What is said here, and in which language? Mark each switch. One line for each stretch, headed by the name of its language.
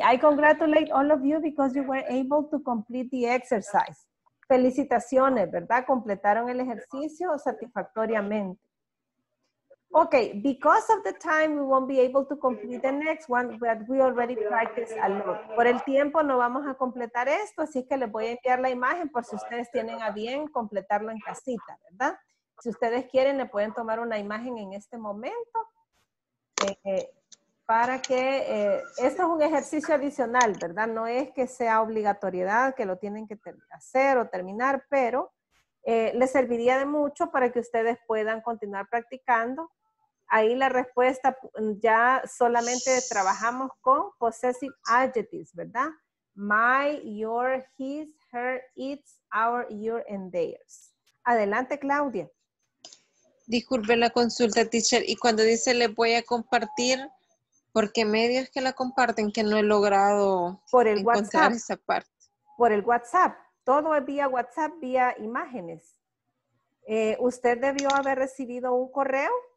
English: I congratulate all of you because you were able to complete the exercise.
Spanish: Felicitaciones, ¿verdad? Completaron el ejercicio satisfactoriamente.
English: Okay, because of the time, we won't be able to complete the next one, but we already practiced a lot.
Spanish: Por el tiempo no vamos a completar esto, así que les voy a enviar la imagen por si ustedes tienen a bien completarlo en casita, ¿verdad? Si ustedes quieren, le pueden tomar una imagen en este momento para que, esto es un ejercicio adicional, ¿verdad? No es que sea obligatoriedad, que lo tienen que hacer o terminar, pero... les serviría de mucho para que ustedes puedan continuar practicando. Ahí la respuesta, ya solamente trabajamos con possessive adjectives, ¿verdad?
English: My, your, his, her, its, our, your, and theirs.
Spanish: Adelante, Claudia. Disculpe la consulta, teacher. Y cuando dice le voy a compartir, ¿por qué medios es que la comparten que no he logrado por el encontrar esa parte? Por el WhatsApp. Todo es vía WhatsApp, vía imágenes. Usted debió haber recibido un correo.